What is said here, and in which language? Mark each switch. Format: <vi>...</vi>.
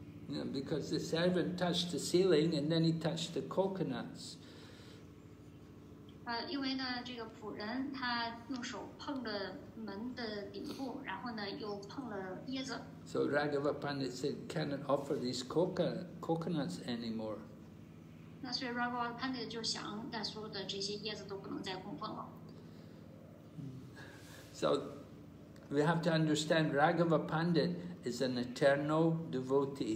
<en>Yeah, because the servant touched the ceiling and then he touched the coconuts.</en> <zh>因为呢，这个仆人他用手碰了门的顶部，然后呢又碰了椰子。</zh> <en>So Raghava Pandit said, "Cannot offer these coconuts anymore."</en> <zh>那所以 Raghava Pandit 就想，那所有的这些椰子都不能再供奉了。</zh> <en>So we have to understand Raghava Pandit is an eternal devotee.</en>